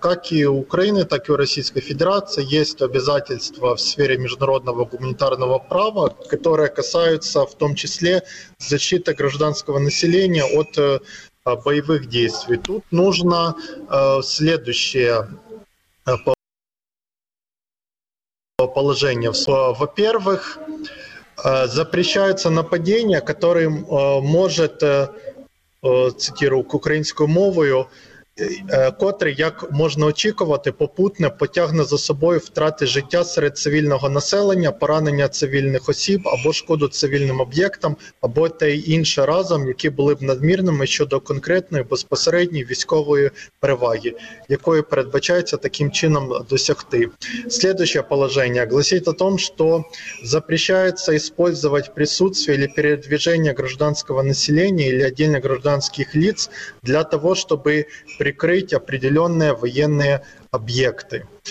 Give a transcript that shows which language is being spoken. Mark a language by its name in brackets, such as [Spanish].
[Russian] Как и у Украины, так и у Российской Федерации есть обязательства в сфере международного гуманитарного права, которые касаются в том числе защиты гражданского населения от боевых действий. Тут нужно следующее положение. Во-первых, запрещается нападение, которое может, цитирую украинскую мовою, [Ukrainian] котре, як можна очікувати, попутне потягне за собою втрати життя серед цивільного населення, поранення цивільних осіб або шкоду цивільним об'єктам, або те й інше разом, які були б надмірними щодо конкретної безпосередньої військової переваги, якої передбачається таким чином досягти. [Russian] Следующее положение гласить о том, что запрещается использовать присутствие или передвижение гражданского населения или отдельно гражданских лиц для того, чтобы прикрыть определенные военные объекты.